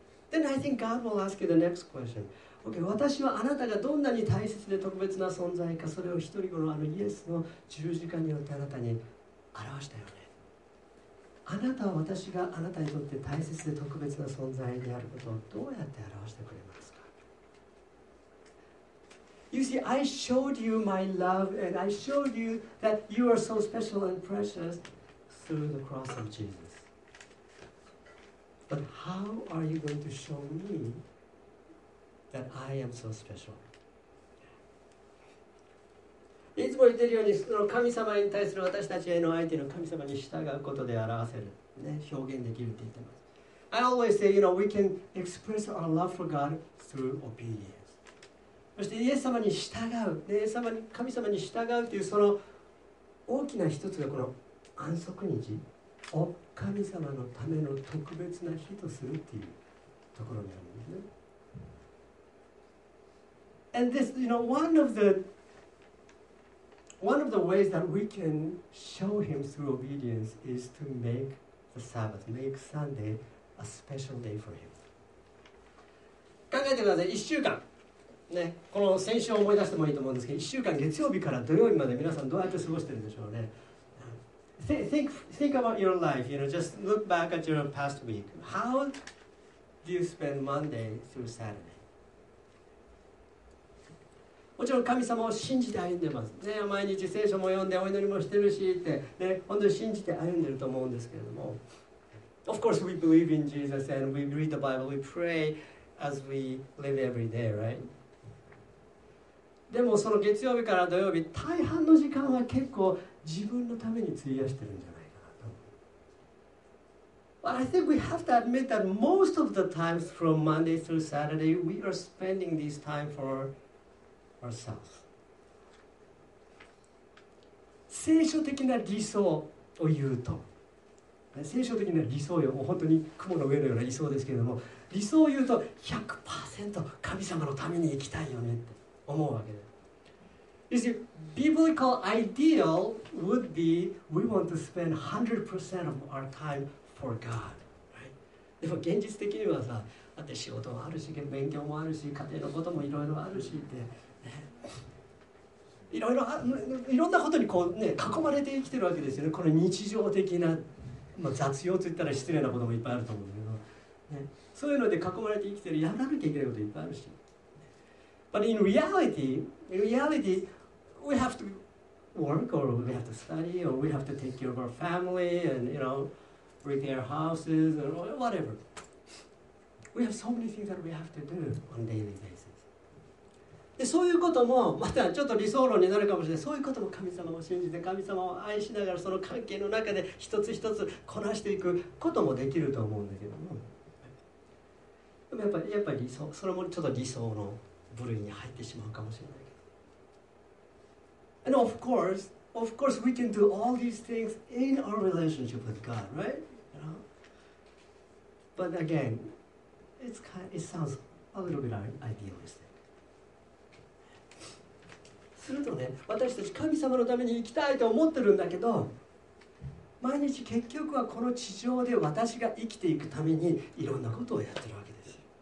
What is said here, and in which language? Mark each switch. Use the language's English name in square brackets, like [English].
[English] Then I think God will ask you the next question. [Japanese] Okay, 私はあなたがどんなに大切で特別な存在か、それを一人のあのイエスの十字架によってあなたに表したよね。あなたは私があなたにとって大切で特別な存在であることをどうやって表してくれますか？ [English] You see, I showed you my love and I showed you that you are so special and precious through the cross of Jesus. But how are you going to show me that I am so special? [Japanese] いつも言ってるように、その神様に対する私たちへの愛というのは神様に従うことで表せる、ね、表現できるって言ってます。 [English] I always say, you know, we can express our love for God through obedience. [Japanese] そしてイエス様に従う、ね、神様に従うというその大きな一つがこの安息日を神様のための特別な日とするっていうところにあるんですね。 [English] And this, you know, one of the ways that we can show him through obedience is to make the Sabbath, make Sunday a special day for him. [Japanese] 考えてください。一週間、ね、この先週を思い出してもいいと思うんですけど、一週間月曜日から土曜日まで皆さんどうやって過ごしてるんでしょうね。 [English] Think about your life. You know, just look back at your past week. How do you spend Monday through Saturday? [Japanese] もちろん神様を信じて歩んでます、ね、毎日聖書も読んでお祈りもしてるしって、ね、本当に信じて歩んでると思うんですけれども、 [English] Of course we believe in Jesus and we read the Bible, we pray as we live every day, right? [Japanese] でもその月曜日から土曜日、大半の時間は結構自分のために費やしてるんじゃないかなと。 [English] But I think we have to admit that most of the times from Monday through Saturday we are spending this time for ourselves. [Japanese] 聖書的な理想を言うと、聖書的な理想よ、もう本当に雲の上のような理想ですけれども、理想を言うと 100% 神様のために生きたいよねって思うわけです。 [English] You see, biblical ideal would be we want to spend 100% of our time for God, right? [Japanese] でも現実的にはさ、だって仕事もあるし、勉強もあるし、家庭のこともいろいろあるしって。いろんなことにこう、ね、囲まれて生きてるわけですよね。この日常的な、まあ、雑用といったら失礼なこともいっぱいあると思うんだけど、ね、そういうので囲まれて生きてる、やらなきゃいけないこといっぱいあるし。 [English] But in reality, we have to work or we have to study or we have to take care of our family and you know, repair houses or whatever. We have so many things that we have to do on a daily basis. [Japanese] でそういうこともまたちょっと理想論になるかもしれない。そういうことも神様を信じて神様を愛しながらその関係の中で一つ一つこなしていくこともできると思うんだけども、でもやっぱり理想、それもちょっと理想の部類に入ってしまうかもしれないけど、 [English] And of course we can do all these things in our relationship with God, right? You know? But again, it sounds a little bit idealistic. [Japanese] するとね、私たち神様のために生きたいと思ってるんだけど、毎日結局はこの地上で私が生きていくためにいろんなことをやってるわけですよ。